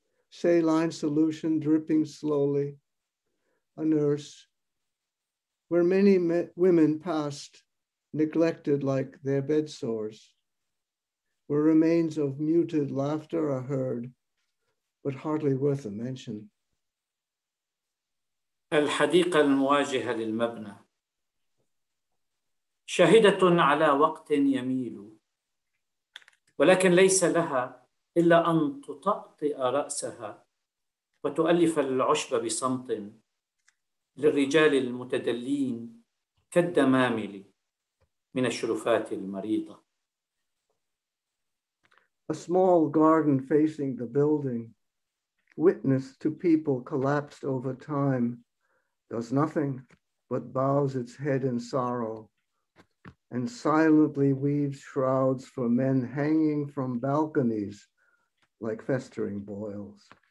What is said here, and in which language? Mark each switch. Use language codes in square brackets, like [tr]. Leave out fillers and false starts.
[en] Saline solution dripping slowly, a nurse, where many women passed, neglected like their bed sores, where remains of muted laughter are heard, but hardly worth a mention. [ar] الحديقة المواجهة للمبنى. شاهدة على وقت يميل, ولكن ليس لها إلا أن تطأطئ رأسها وتؤلف العشب بصمت للرجال المتدلين كالدمامل من الشرفات المريضة. [en] A small garden facing the building, witness to people collapsed over time, does nothing but bows its head in sorrow. And silently weaves shrouds for men hanging from balconies like festering boils.